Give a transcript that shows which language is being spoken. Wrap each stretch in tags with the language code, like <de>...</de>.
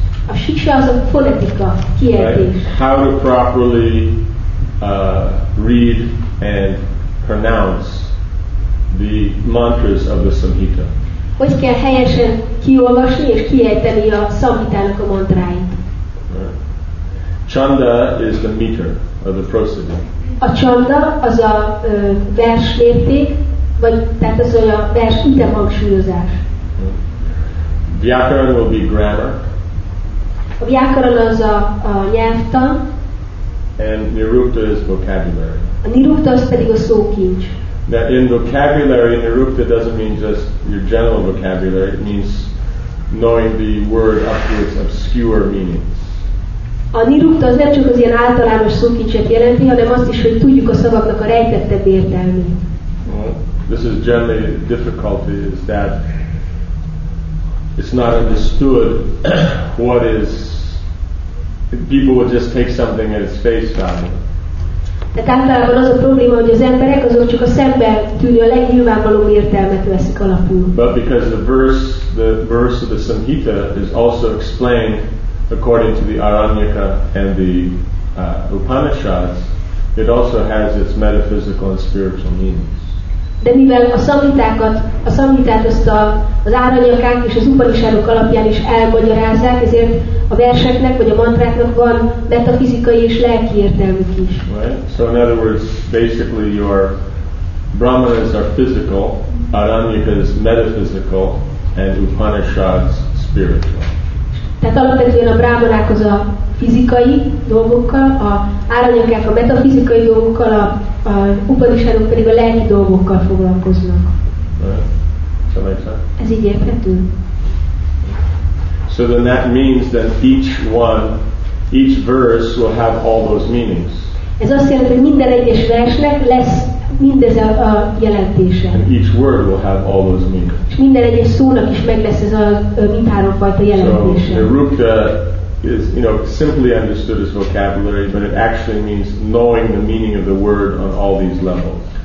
<hu>A Siksha az a fonetika, kiejtés.</hu> <en>Right? How to properly read and pronounce the mantras of the Samhita.</en> <hu>Hogy kell helyesen kiolvasni és kiejteni a Samhitának a mantráit.</hu> <en>Right. Chanda is the meter of the prosody.</en> <hu>A chanda az a vers mérték. Vagy, tehát az olyan vers ütem hangsúlyozás.</hu> <en>Vyakaran will be grammar.</en> <hu>A vyakaran az a nyelvtan.</hu> <en>And Nirukta is vocabulary.</en> <hu>A Nirukta az pedig a szókincs.</hu> <en>that in vocabulary, nirukta doesn't mean just your general vocabulary, it means knowing the word up to its obscure meanings.</en> <hu>A nirukta az nem csak az ilyen általános szókincset jelenti, hanem azt is, hogy tudjuk a szavaknak a rejtettebb értelmét.</hu> <en>This is generally the difficulty, is that it's not understood what is, people will just take something at its face value.</en> <hu>De általában az a probléma, hogy az emberek azok csak a szemben tűnő a legnyilvánvalóbb értelmet veszik alapul.</hu> <en>But because the verse of the Samhita is also explained according to the Aranyaka and the Upanishads, it also has its metaphysical and spiritual meanings.</en> <hu>De mivel a Samhitát az Aranyakák és az Upanishadok alapján is elmagyarázzák, ezért a verseknek vagy a mantráknak van metafizikai és lelki értelmük is.</hu> <en>Right. So in other words, basically your Brahmanas are physical, Aranyaka is metaphysical, and Upanishads spiritual.</en> <hu>Tehát alapvetően a Brahmanák az a fizikai dolgokkal, a Aranyakák a metafizikai dolgokkal, a Upanishadok pedig a lelki dolgokkal foglalkoznak.</hu> <en>Right.</en> <hu>Ez így érthető?</hu> <en>So then that means that each one, each verse will have all those meanings.</en> <hu>Ez azt jelenti, hogy minden egyes versnek lesz mindez a jelentése.</hu> <en>And each word will have all those meanings.</en> <hu>És minden egyes szónak is meg lesz ez a mindhárom fajta jelentése.</hu> <en>So nirukta is, you know, simply understood as vocabulary, but it actually means knowing the meaning of the word on all these levels.</en>